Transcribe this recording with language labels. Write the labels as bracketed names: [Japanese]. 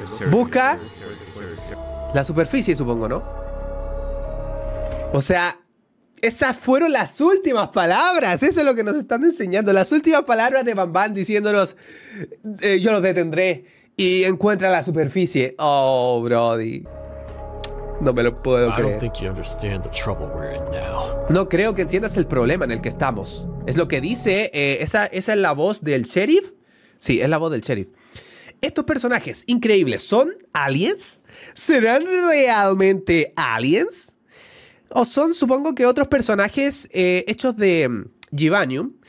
[Spanish] Busca la superficie, supongo, ¿no? O sea, esas fueron las últimas palabras. Eso es lo que nos están enseñando. Las últimas palabras de Bambam diciéndonos, yo los detendré. Y encuentra la superficie. Oh, brody. No me lo puedo creer. [English] I don't think you understand the trouble we're in now. [Spanish] No creo que entiendas el problema en el que estamos. Es lo que dice. ¿Esa es la voz del sheriff? Sí, es la voz del sheriff. Estos personajes increíbles, ¿son aliens? ¿Serán realmente aliens? O son, supongo que otros personajes hechos de Givanium.